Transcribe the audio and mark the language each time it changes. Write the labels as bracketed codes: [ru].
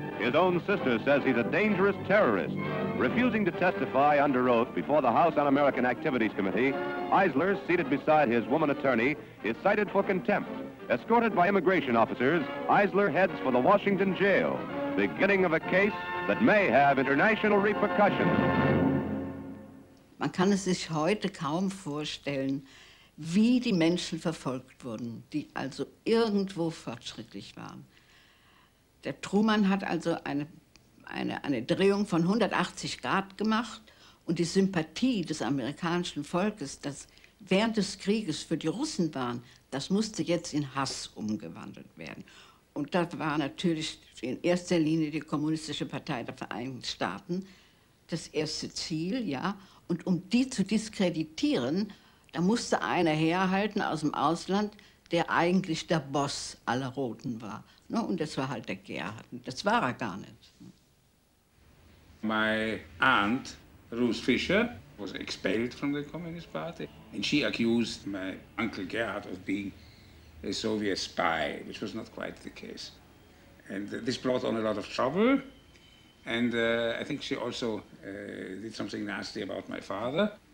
[en] His own sister says he's a dangerous terrorist. Refusing to testify under oath before the House Un-American Activities Committee, Eisler, seated beside his woman attorney, is cited for contempt. Escorted by immigration officers, Eisler heads for the Washington jail, beginning of a case that may have international repercussions. [de] Man kann es sich heute kaum vorstellen, wie die Menschen verfolgt wurden, die also irgendwo fortschrittlich waren. Der Truman hat also eine Drehung von 180 Grad gemacht und die Sympathie des amerikanischen Volkes, das während des Krieges für die Russen waren, das musste jetzt in Hass umgewandelt werden. Und das war natürlich in erster Linie die Kommunistische Partei der Vereinigten Staaten das erste Ziel, ja. Und um die zu diskreditieren, da musste einer herhalten aus dem Ausland, der eigentlich der Boss aller Roten war. Und das war halt der Gerhard. Das war er gar nicht. [en] My aunt, Ruth Fisher, was expelled from the Communist Party. And she accused my uncle Gerhard of being a Soviet spy, which was not quite the case. And this brought on a lot of trouble. And I think she also did something nasty about my father.